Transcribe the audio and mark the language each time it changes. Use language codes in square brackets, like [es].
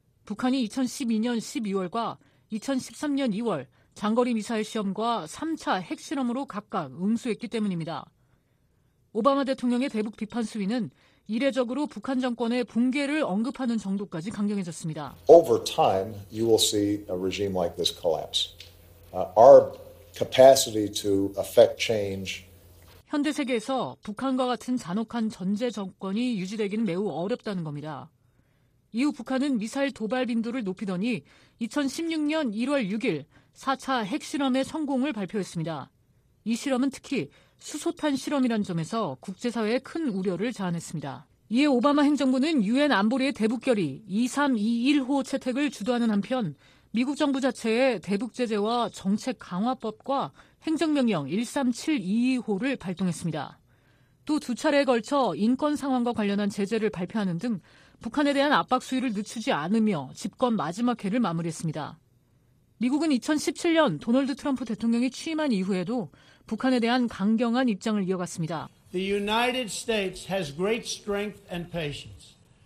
[ko] 북한이 2012년 12월과 2013년 2월 장거리 미사일 시험과 3차 핵실험으로 각각 응수했기 때문입니다. 오바마 대통령의 대북 비판 수위는 이례적으로 북한 정권의 붕괴를 언급하는 정도까지 강경해졌습니다. [en] Over time, you will see a regime like this collapse. Our capacity to affect change. [ko] 현대 세계에서 북한과 같은 잔혹한 전제 정권이 유지되기는 매우 어렵다는 겁니다. 이후 북한은 미사일 도발 빈도를 높이더니 2016년 1월 6일 4차 핵실험의 성공을 발표했습니다. 이 실험은 특히 수소탄 실험이란 점에서 국제사회에 큰 우려를 자아냈습니다. 이에 오바마 행정부는 유엔 안보리의 대북결의 2321호 채택을 주도하는 한편 미국 정부 자체의 대북 제재와 정책 강화법과 행정명령 13722호를 발동했습니다. 또 두 차례에 걸쳐 인권 상황과 관련한 제재를 발표하는 등 북한에 대한 압박 수위를 늦추지 않으며 집권 마지막 해를 마무리했습니다. 미국은 2017년 도널드 트럼프 대통령이 취임한 이후에도 북한에 대한 강경한 입장을 이어갔습니다. [en] The United States has great strength and patience.